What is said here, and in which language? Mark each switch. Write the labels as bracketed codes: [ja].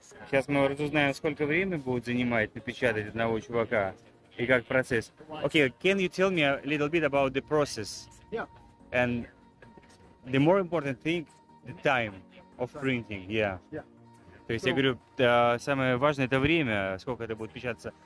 [ru] Сейчас мы разузнаем, сколько времени будет занимать напечатать одного чувака и как процесс. [en] Okay, can you tell me a little bit about the process? Yeah. And the more important thing, the time of printing, yeah. Yeah. [ru] То есть я говорю, самое важное это время, сколько это будет печататься.